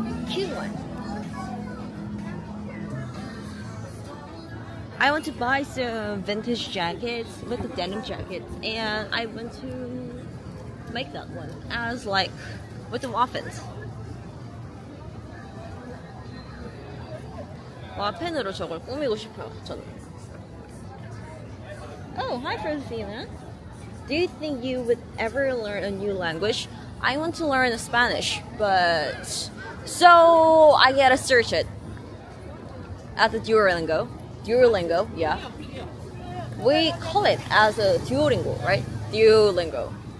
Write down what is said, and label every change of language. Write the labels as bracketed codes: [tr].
[en] Cute one. I want to buy some vintage jackets with the denim jackets, and I want to make that one as like with the waffens. [ko] 와펜으로 저걸 꾸미고 싶어요, 저는. [en] Oh, hi, Francina. Do you think you would ever learn a new language? I want to learn Spanish, but so I gotta search it at the Duolingo. Duolingo, yeah. we call it as a Duolingo, right? Duolingo.